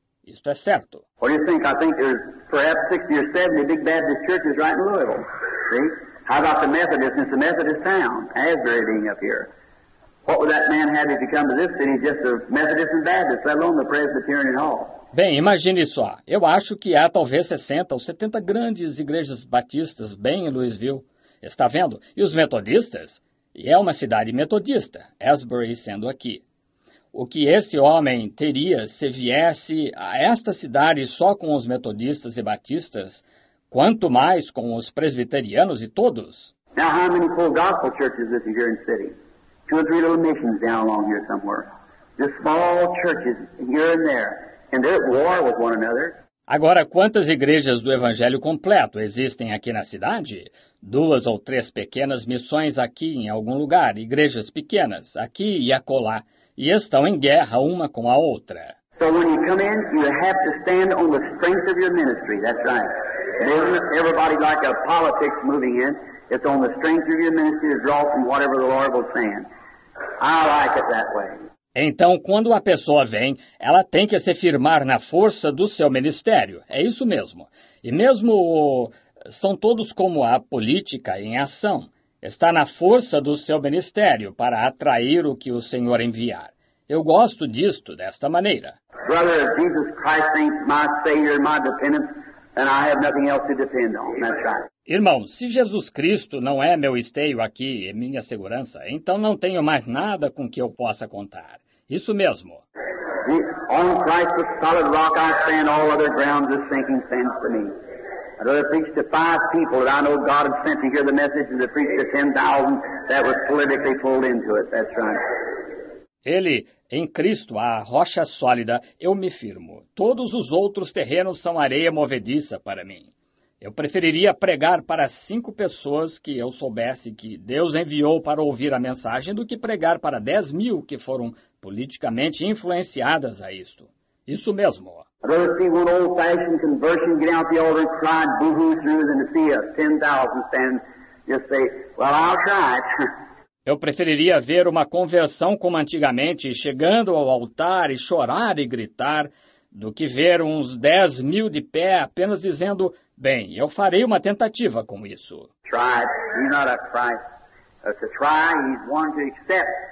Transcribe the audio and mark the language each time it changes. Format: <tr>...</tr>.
<pt>Isto é certo. O que você acha? Eu acho que há 60 ou 70</pt> <en>big Baptist churches right in Louisville. How about the Methodist? It's the Methodist town, Asbury being up here. What would that man have if he come to this city just a Methodist and Baptist, let alone the Presbyterian Hall?</en> <pt>Bem, imagine só. Eu acho que há talvez 60 ou 70 grandes igrejas batistas bem em Louisville. Está vendo? E os metodistas? E é uma cidade metodista, Asbury sendo aqui. O que esse homem teria se viesse a esta cidade só com os metodistas e batistas, quanto mais com os presbiterianos e todos?</pt> <en>Now, how many full gospel churches is here in the city? Two or three little missions down along here somewhere. Just small churches here and there. And they're at war with one another.</en> <pt>Agora, quantas igrejas do Evangelho completo existem aqui na cidade? Duas ou três pequenas missões aqui em algum lugar, igrejas pequenas, aqui e acolá, e estão em guerra uma com a outra.</pt> <en>So when you come in, you have to stand on the strength of your ministry, that's right. It isn't everybody like a politics moving in. It's on the strength of your ministry to draw from whatever the Lord will send. I like it that way.</en> <pt>Então, quando a pessoa vem, ela tem que se firmar na força do seu ministério. É isso mesmo. E mesmo são todos como a política em ação. Está na força do seu ministério para atrair o que o Senhor enviar. Eu gosto disto, desta maneira.</pt> <en>Brother, if Jesus Christ ain't my savior, my dependence, then I have nothing else to depend on. That's right.</en> <pt>Irmão, se Jesus Cristo não é meu esteio aqui e minha segurança, então não tenho mais nada com que eu possa contar. Isso mesmo.</pt> <en>On Christ, the solid rock, I stand, all other grounds are sinking sand for me. I'd rather preach to five people that I know God has sent to hear the message than to preach to 10,000 that was politically pulled into it. That's right.</en> <pt>Ele, em Cristo, a rocha sólida, eu me firmo. Todos os outros terrenos são areia movediça para mim. Eu preferiria pregar para 5 pessoas que eu soubesse que Deus enviou para ouvir a mensagem do que pregar para 10,000 que foram politicamente influenciadas a isto. Isso mesmo.</pt> <en>I'd rather see one old-fashioned conversion get out the altar and cry boo-hoo through than to see a 10,000 stand just say, well, I'll try it.</en> <pt>Eu preferiria ver uma conversão como antigamente, chegando ao altar e chorar e gritar, do que ver uns 10,000 de pé apenas dizendo, bem, eu farei uma tentativa com isso.</pt> <en>Try, he's not a Christ. To try, he's one to accept.</en>